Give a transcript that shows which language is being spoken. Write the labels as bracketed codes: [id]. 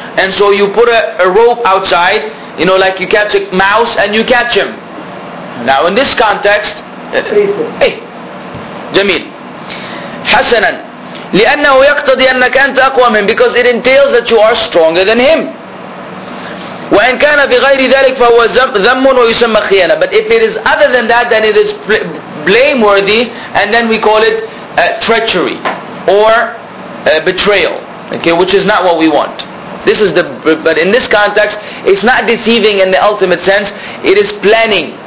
[en] And so you put a rope outside, you know, like you catch a mouse and you catch him. Now in this context, hey, Jameel. Hasanan. [ar] لأنه يقتضي أنك أنت أقوى منه, [en] because it entails that you are stronger than him. [ar] وإن كان بغير ذلك فهو ذم ويسمى خيانة. [en] But if it is other than that, then it is blameworthy, and then we call it treachery or betrayal. Okay, which is not what we want. This is the, but in this context, it's not deceiving in the ultimate sense. It is planning.